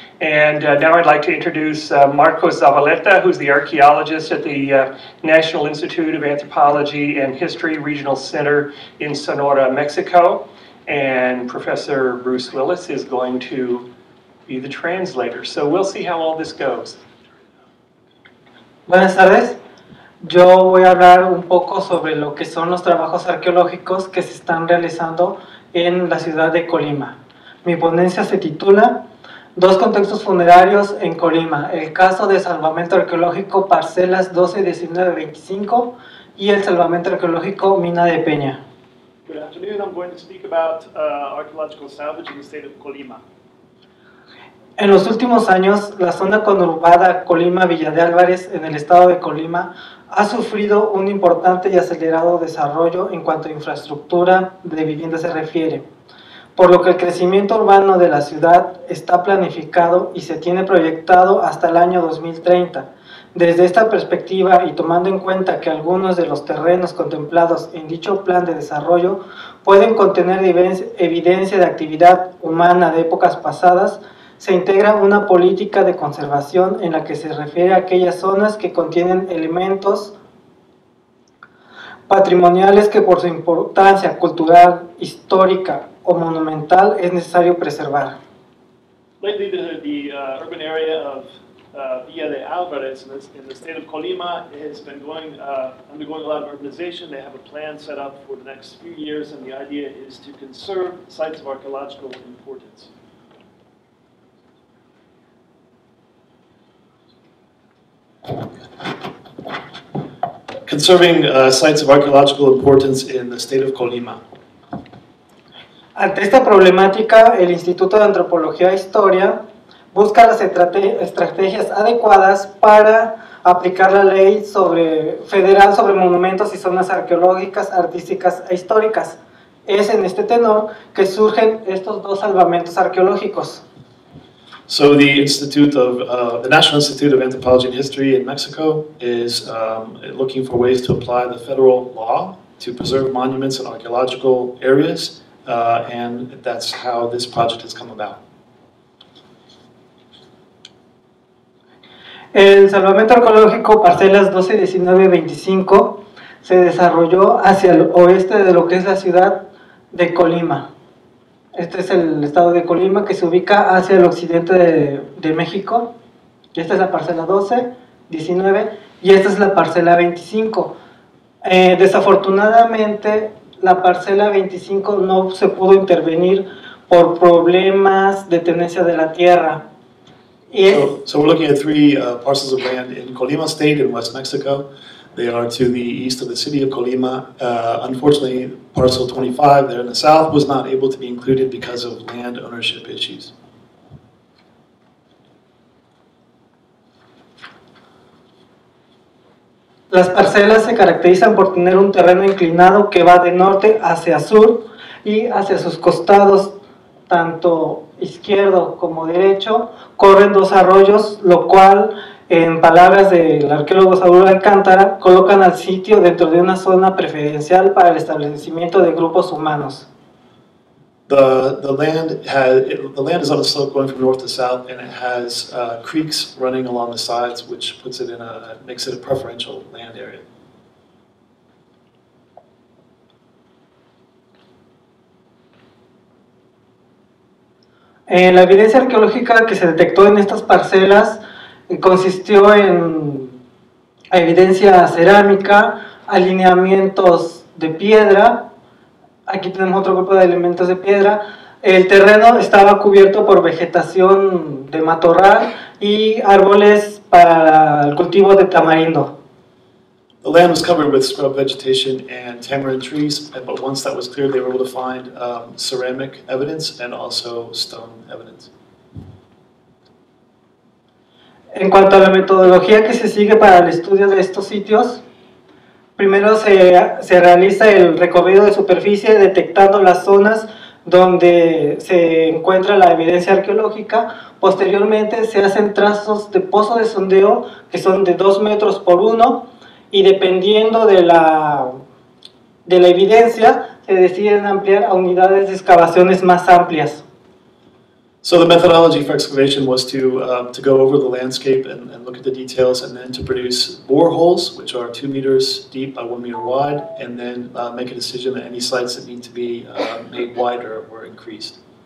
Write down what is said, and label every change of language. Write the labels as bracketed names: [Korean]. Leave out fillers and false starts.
[English] And now I'd like to introduce Marco Zavaleta, who's the archaeologist at the National Institute of Anthropology and History Regional Center in Sonora, Mexico. And Professor Bruce Willis is going to be the translator. So we'll see how all this goes. [Spanish] Buenas tardes. Yo voy a hablar un poco sobre lo que son los trabajos arqueológicos que se están realizando en la ciudad de Colima. Mi ponencia se titula Dos contextos funerarios en Colima, el caso de salvamento arqueológico parcelas 12-19-25 y el salvamento arqueológico Mina de Peña. [English] Good afternoon, I'm going to speak about archaeological salvage in the state of Colima. [Spanish] En los últimos años, la zona conurbada Colima-Villa de Álvarez en el estado de Colima ha sufrido un importante y acelerado desarrollo en cuanto a infraestructura de vivienda se refiere, por lo que el crecimiento urbano de la ciudad está planificado y se tiene proyectado hasta el año 2030. Desde esta perspectiva y tomando en cuenta que algunos de los terrenos contemplados en dicho plan de desarrollo pueden contener evidencia de actividad humana de épocas pasadas, se integra una política de conservación en la que se refiere a aquellas zonas que contienen elementos patrimoniales que por su importancia cultural, histórica o monumental es necesario preservar. [English] Lately, the urban area of Villa de Álvarez in the state of Colima has been undergoing a lot of urbanization. They have a plan set up for the next few years, and the idea is to conserve sites of archaeological importance. Conserving sites of archaeological importance in the state of Colima. [Spanish] Ante esta problemática, el Instituto de Antropología e Historia busca las estrategias adecuadas para aplicar la ley federal sobre monumentos y zonas arqueológicas, artísticas e históricas. Es en este tenor que surgen estos dos salvamentos arqueológicos. [English] So the National Institute of Anthropology and History in Mexico is looking for ways to apply the federal law to preserve monuments in archaeological areas, and that's how this project has come about. [Spanish] El salvamento arqueológico parcelas 12-19-25 se desarrolló hacia el oeste de lo que es la ciudad de Colima. Este es el estado de Colima que se ubica hacia el occidente de México. Esta es la parcela 12-19 y esta es la parcela 25. Desafortunadamente, la parcela 25 no se pudo intervenir por problemas de tenencia de la tierra. [English] So we're looking at three parcels of land in Colima State in West Mexico. They are to the east of the city of Colima. Unfortunately, parcel 25 there in the south was not able to be included because of land ownership issues. [Spanish] Las parcelas se caracterizan por tener un terreno inclinado que va de norte hacia sur y hacia sus costados, tanto izquierdo como derecho, corren dos arroyos, lo cual, en palabras del arqueólogo Saúl Alcántara, colocan al sitio dentro de una zona preferencial para el establecimiento de grupos humanos. [English] The land is on a slope going from north to south, and it has creeks running along the sides, which puts it in a makes it a preferential land area. [Spanish] La evidencia arqueológica que se detectó en estas parcelas consistió en evidencia cerámica, alineamientos de piedra. Aquí tenemos otro grupo de elementos de piedra. El terreno estaba cubierto por vegetación de matorral y árboles para el cultivo de tamarindo. [English] The land was covered with scrub vegetation and tamarind trees, but once that was cleared, they were able to find ceramic evidence and also stone evidence. [Spanish] En cuanto a la metodología que se sigue para el estudio de estos sitios, primero se realiza el recorrido de superficie detectando las zonas donde se encuentra la evidencia arqueológica. Posteriormente se hacen trazos de pozo de sondeo que son de 2 metros por 1, y dependiendo de la evidencia, se deciden ampliar a unidades de excavaciones más amplias. [English] So the methodology for excavation was to go over the landscape and look at the details, and then to produce boreholes, which are 2 meters deep by 1 meter wide, and then make a decision that any sites that need to be made wider or increased.